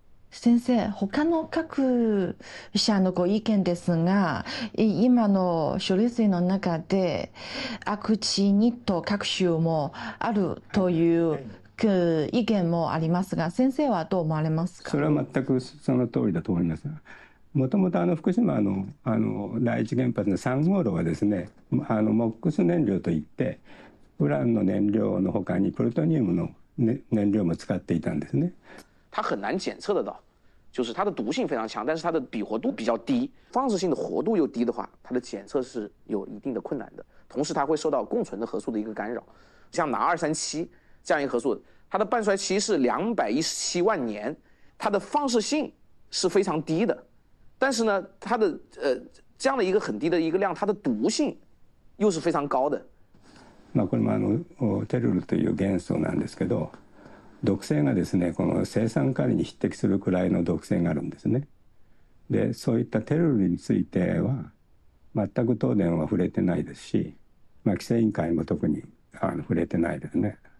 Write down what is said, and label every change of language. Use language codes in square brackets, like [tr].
[ja] 先生、他の各社のご意見ですが、今の処理水の中でアクチニット各種もあるという意見もありますが、先生はどう思われますか？それは全くその通りだと思います。もともと福島 の第一原発の3号炉はですね、MOX 燃料といってウランの燃料のほかにプルトニウムの、ね、燃料も使っていたんですね。 [zh] 它很难检测的，就是它的毒性非常强，但是它的比活度比较低，放射性的活度又低的话，它的检测是有一定的困难的。同时它会受到共存的核素的一个干扰，像钠237这样一个核素，它的半衰期是217万年，它的放射性是非常低的，但是呢，它的这样的一个很低的一个量，它的毒性又是非常高的。 [ja] 那これもテルルという元素なんですけど、毒性がですね、この青酸カリに匹敵するくらいの毒性があるんですね。で、そういったテルルについては全く東電は触れてないですし、まあ規制委員会も特に触れてないですね。